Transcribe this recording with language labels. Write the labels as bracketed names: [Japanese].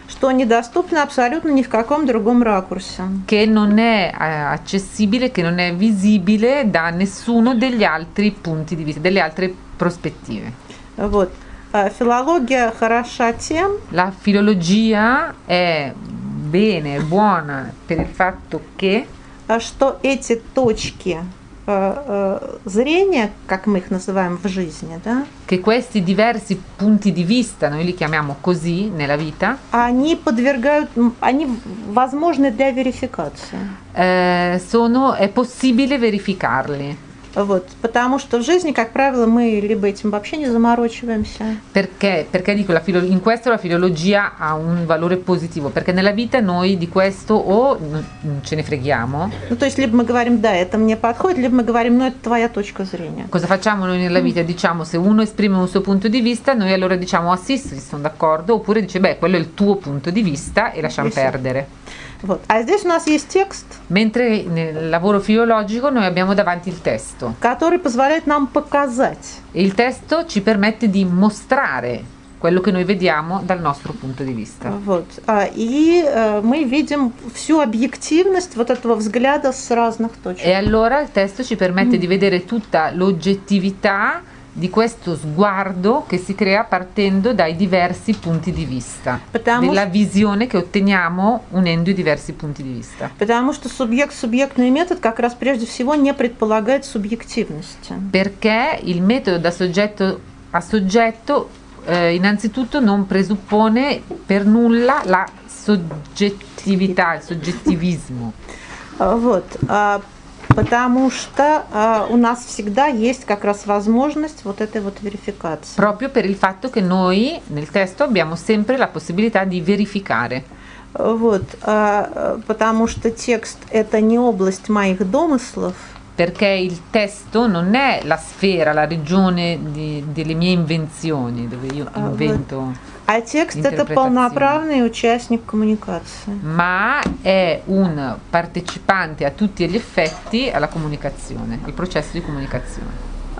[Russian] что недоступно абсолютно ни в каком другом ракурсе. [Italian] Che non è accessibile, che non è visibile da nessuno degli altri punti di vista, delle altre prospettive. [Russian] Вот. Филология хороша тем. [Italian] La filologia è bene, buona per il fatto che. [Russian] Что эти точки зрения, как мы их называем в жизни, да? [Italian] Che questi diversi punti di vista, noi li chiamiamo così nella vita. [Russian] Они подвергают, они возможны для верификации. [Italian] Sono, è possibile verificarli. [Russian] Вот, потому что в жизни, как правило, мы либо этим вообще не заморочиваемся. [Italian] Perché? Perché dico la filo in questo la filologia ha un valore positivo, perché nella vita noi di questo o ce ne freghiamo. [Russian] Ну, то есть либо мы говорим: "Да, это мне подходит", либо мы говорим: "Ну, это твоя точка зрения". [Italian] Cosa facciamo noi nella vita? Diciamo, se uno esprime un suo punto di vista, noi allora diciamo: "Ah, sì, sì, sono d'accordo", oppure dice: "Beh, quello è il tuo punto di vista" e lasciamo perdere. [Russian] Вот. А здесь у нас есть текст. [Italian] Mentre nel lavoro filologico noi abbiamo davanti il testo. [Russian] Который позволяет нам показать. [Italian] Il testo ci permette di mostrare quello che noi vediamo dal nostro punto di vista. [Russian] Вот. Мы видим всю объективность вот этого взгляда с разных точек. [Italian] E allora il testo ci permette di vedere tutta l'oggettività di questo sguardo che si crea partendo dai diversi punti di vista, della visione che otteniamo unendo i diversi punti di vista. [Russian] Потому что субъект-субъектный метод как раз прежде всего не предполагает субъективности. [Italian] Perché il metodo da soggetto a soggetto innanzitutto non presuppone per nulla la soggettività, il soggettivismo. [Russian] Вот. Потому что у нас всегда есть как раз возможность вот этой вот верификации. [Italian] Proprio per il fatto che noi nel testo abbiamo sempre la possibilità di verificare. [Russian] Вот, потому что текст это не область моих домыслов. [Italian] Perché il testo non è la sfera, la regione delle mie invenzioni, dove io invento. [Russian] А текст это полноправный участник коммуникации. [Italian] Ma è un partecipante a tutti gli effetti alla comunicazione, il processo di comunicazione.